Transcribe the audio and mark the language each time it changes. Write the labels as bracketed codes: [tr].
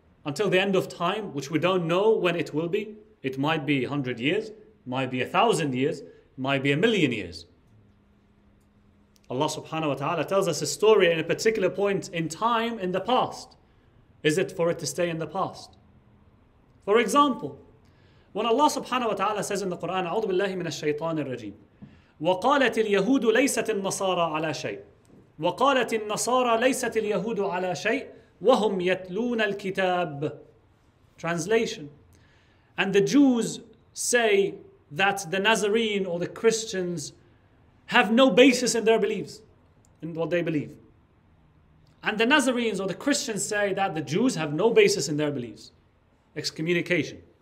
[en] Until the end of time, which we don't know when it will be. It might be 100 years, might be 1,000 years, might be 1,000,000 years. Allah subhanahu wa ta'ala tells us a story in a particular point in time in the past. Is it for it to stay in the past? For example, when Allah subhanahu wa ta'ala says in the Quran, [ar] أعوذ بالله من الشيطان الرجيم وقالت اليهود ليست النصارى على شيء وقالت النصارى ليست اليهود على شيء وَهُمْ يَتْلُونَ الْكِتَابِ. [en] Translation. And the Jews say that the Nazarene or the Christians have no basis in their beliefs, in what they believe. And the Nazarenes or the Christians say that the Jews have no basis in their beliefs. Excommunication.